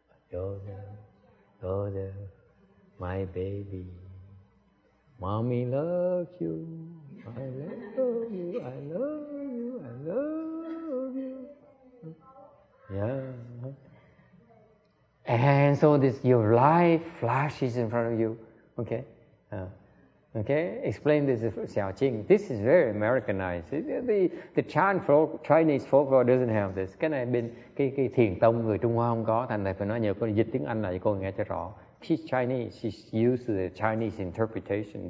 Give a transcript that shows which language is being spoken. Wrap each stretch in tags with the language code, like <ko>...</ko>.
<en>Joseph, Joseph, my baby, mommy loves you, I love you, I love you, I love you. Yeah. And so this, your life flashes in front of you, okay? Okay, explain this to Xiao Qing. This is very Americanized. The Chan folk, Chinese folklore doesn't have this.</en> <vi>Cái này bên cái thiền tông người Trung Hoa không có, thành này phải nói nhờ cô dịch tiếng Anh lại cho cô nghe cho rõ.</vi> <en>She's Chinese, she's used to the Chinese interpretation.</en>